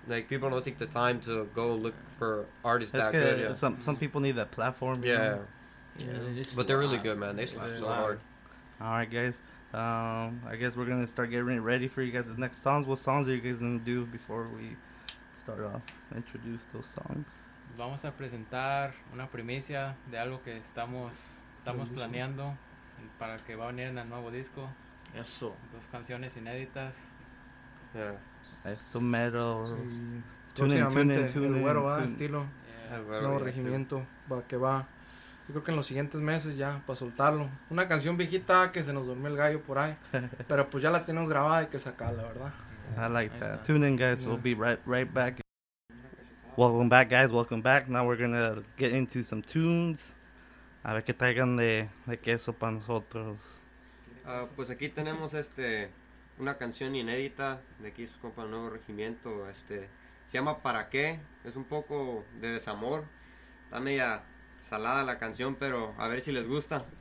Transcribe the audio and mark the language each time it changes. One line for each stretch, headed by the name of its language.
English: Like, people don't take the time to go look for artists that good. Some people need that platform. Yeah. But they're really good, man. They slap so hard. All right, guys. I guess we're going to start getting ready for you guys' next songs. What songs are you guys going to do before we start off? Introduce those songs.
Spanish: Vamos a presentar una primicia de algo que estamos planeando para que va a venir en el nuevo disco. Eso. Dos canciones inéditas. Yeah. Eso mero.
English: Tune in.
Spanish: El güero va estilo. Yeah. Nuevo regimiento que va. Yo creo que en los siguientes meses ya para soltarlo. Una canción viejita que se nos durmió el gallo por ahí. Pero pues ya la tenemos grabada y hay que sacarla, ¿verdad?
English: I like that. Tune in, guys. Yeah. We'll be right back. Welcome back, guys. Welcome back. Now we're going to get into some tunes.
Spanish: A ver qué traigan de queso para nosotros. Pues aquí tenemos una canción inédita de aquí, su compa Nuevo Regimiento. Se llama ¿Para qué? Es un poco de desamor. Está media salada la canción, pero a ver si les gusta.